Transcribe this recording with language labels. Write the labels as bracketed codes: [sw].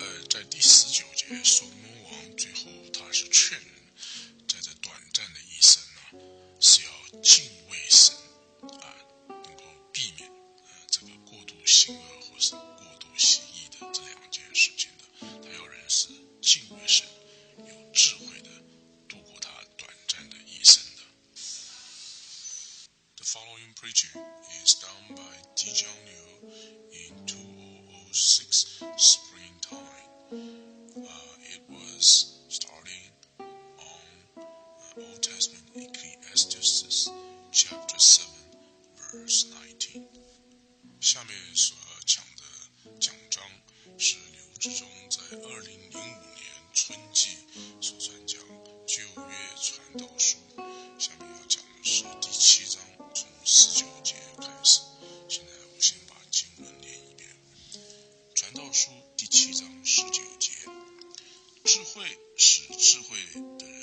[zh] 在第十九节，所罗门王最后他是劝人在这短暂的一生呢是要敬畏神能够避免这个过度行恶或是过度行义的这两件事情的。他要人是敬畏神，有智慧的度过他短暂的一生的。 [en] The following preaching is done by Tze-John in 2006 springtime. It was starting on Old Testament Ecclesiastes chapter 7 verse 19. [zh] 下面所讲的讲章是刘志忠在2005年春季所传讲旧约传道书，下面要讲的是第七章从十九节开始。现在我先把经文念一遍。传道书第七章十九节，智慧使智慧